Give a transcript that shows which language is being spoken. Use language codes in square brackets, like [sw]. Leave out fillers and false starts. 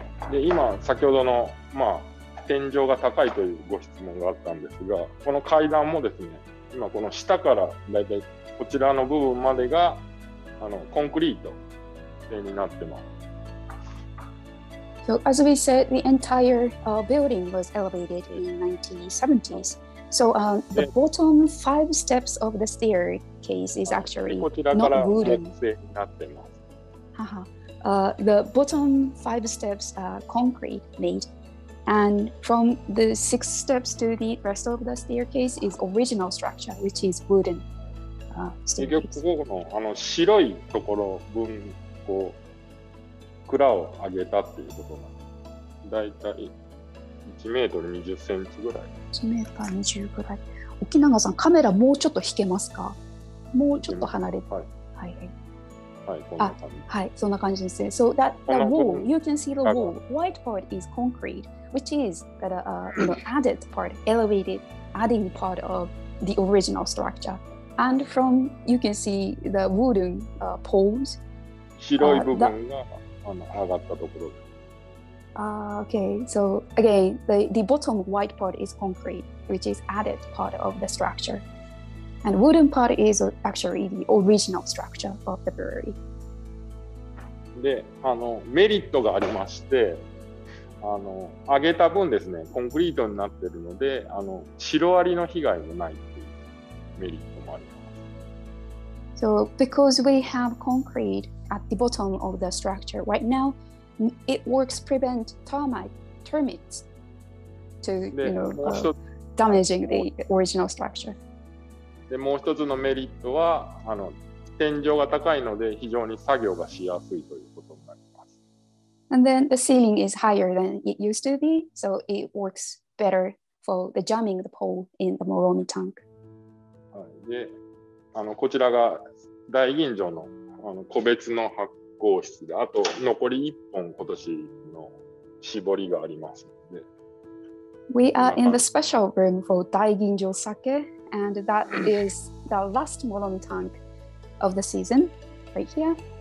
[ja] で今先ほどのまあ天井が高いというご質問があったんですが、この階段もですね、今この下からだいたいこちらの部分までがあのコンクリートになってます。 [en] So as we said, the entire building was elevated in 1970s. So the bottom five steps of the staircase case is actually not wooden. The bottom five steps are concrete made, and from the six steps to the rest of the staircase is original structure, which is wooden. [ja] 結局ここのあの白いところ分こう蔵を上げたっていうことなんです。だいたい1メートル20センチぐらい。 1メートル20ぐらい。沖永さん、カメラもうちょっと引けますか？もうちょっと離れて。はい。はい、はい、こんな感じ。はい、そんな感じですね。 [en] So that, that wall, you can see the wall. White part is concrete, which is got a, you know, added part, elevated, adding part of the original structure. And from, you can see the wooden poles. [ja] 白い部分が上がったところです。 [en] Okay, so again, the bottom white part is concrete, which is added part of the structure. And wooden part is actually the original structure of the brewery. [ja] で、あの、メリットがありまして、あの、上げた分ですね、コンクリートになっているので、あの、シロアリの被害もないっていうメリット。 [en] So because we have concrete at the bottom of the structure right now, it works prevent termites to, you know, damaging the original structure. [ja] で、もう一つのメリットは、あの、天井が高いので非常に作業がしやすいということになります。 [en] And then the ceiling is higher than it used to be, so it works better for the jamming the pole in the Moromi tank. [ja] はい。で、あの、こちらが大吟醸 の, あの個別の発酵室で、あと残り1本今年の絞りがありますので。 [en] We are in the special room for 大吟醸 sake, and that is the last Moromi tank of the season, right here.